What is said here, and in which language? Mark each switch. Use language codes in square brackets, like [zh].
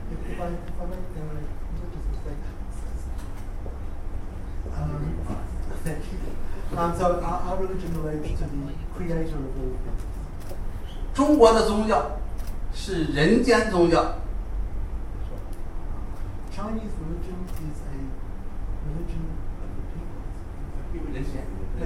[en] if I make the religious mistake, thank you. So our religion relates to the creator of all things. [zh] 中国的宗教是人间宗教。 [en] Chinese religion is a religion of the people.